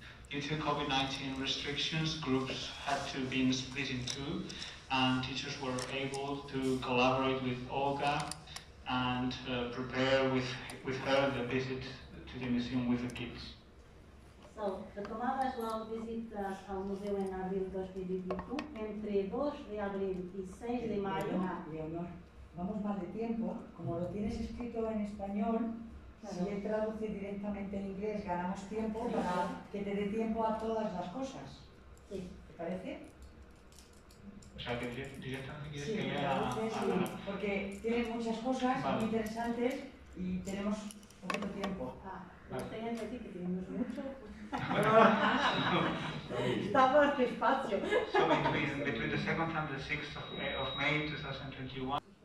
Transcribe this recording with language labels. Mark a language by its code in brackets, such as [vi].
[en] Due to COVID-19 restrictions, groups had to be split in two, and teachers were able to collaborate with Olga and prepare with her the visit to the museum with the kids. [es] So, retomadas las visitas al museo en abril 2022, entre 2 de abril y 6 de mayo. Leonor, vamos mal de tiempo. Como lo tienes escrito en español, Si él traduce directamente en inglés, ganamos tiempo para que te dé tiempo a todas las cosas. Sí. ¿Te parece? O sea, que directamente quieres sí, que sí, porque tiene muchas cosas vale. Muy interesantes y tenemos poquito tiempo. [en] So between the 2nd and the 6th of May, 2021.